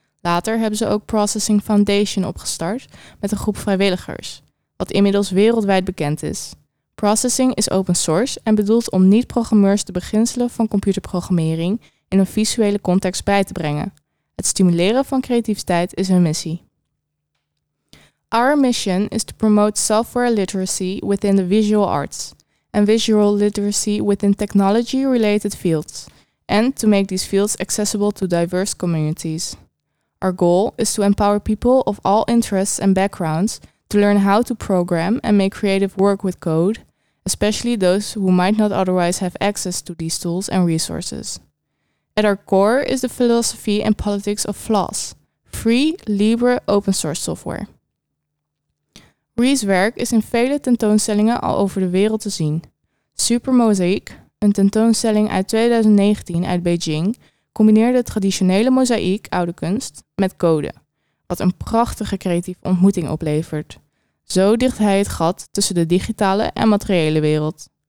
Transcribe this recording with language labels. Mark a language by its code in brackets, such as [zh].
[nl] Later hebben ze ook Processing Foundation opgestart met een groep vrijwilligers, wat inmiddels wereldwijd bekend is. Processing is open source en bedoeld om niet-programmeurs de beginselen van computerprogrammering in een visuele context bij te brengen. Het stimuleren van creativiteit is hun missie. [en] Our mission is to promote software literacy within the visual arts and visual literacy within technology-related fields and to make these fields accessible to diverse communities. Our goal is to empower people of all interests and backgrounds to learn how to program and make creative work with code, especially those who might not otherwise have access to these tools and resources. At our core is the philosophy and politics of FLOSS, free, libre, open source software. [nl] Rees' werk is in vele tentoonstellingen al over de wereld te zien. Super Mosaic, een tentoonstelling uit 2019 uit Beijing, combineerde traditionele mozaïek, oude kunst, met code, wat een prachtige creatieve ontmoeting oplevert. Zo dicht hij het gat tussen de digitale en materiële wereld.